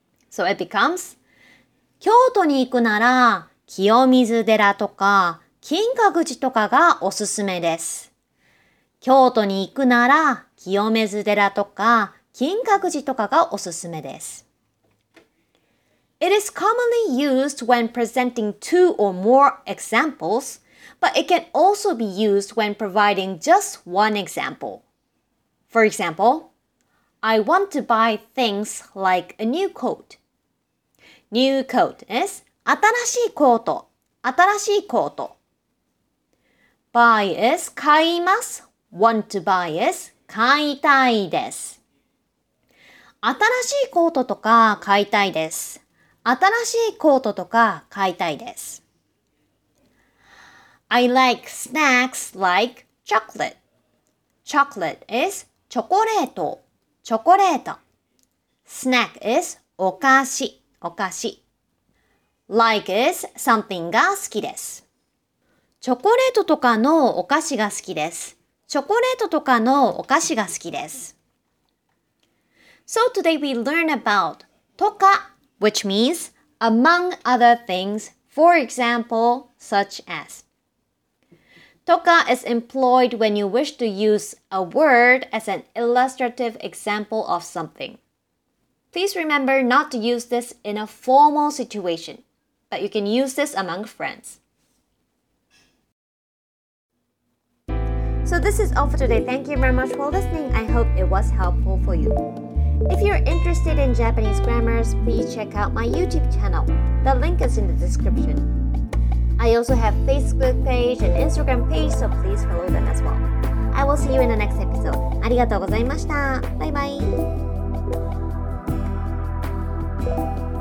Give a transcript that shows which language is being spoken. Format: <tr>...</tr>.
<en>So it becomes</en> <ja>京都に行くなら清水寺とか金閣寺とかがおすすめです。京都に行くなら清水寺とか金閣寺とかがおすすめです。</ja> <en>It is commonly used when presenting two or more examples, but it can also be used when providing just one example. For example, I want to buy things like a new coat. New coat is</en> <ja>新しいコート、新しいコート。</ja> <en>Buy is 買います。Want to buy is 買いたいです。</en> <ja>新しいコートとか買いたいです。新しいコートとか買いたいです。</ja> <en>I like snacks like chocolate. Chocolate isチョコレート、</en> <ja>チョコレート。</ja> <en>Snack is</en> <ja>お菓子、</ja> <en>お菓子。Like is something が好きです。</en> <ja>チョコレートとかのお菓子が好きです。チョコレートとかのお菓子が好きです。</ja> <en>So today we learn about とか、which means among other things, for example, such as. とか is employed when you wish to use a word as an illustrative example of something. Please remember not to use this in a formal situation, but you can use this among friends. So this is all for today. Thank you very much for listening. I hope it was helpful for you. If you're interested in Japanese grammars, please check out my YouTube channel. The link is in the description. I also have Facebook page and Instagram page, so please follow them as well. I will see you in the next episode.</en> <ja>ありがとうございました。バイバイ。</ja>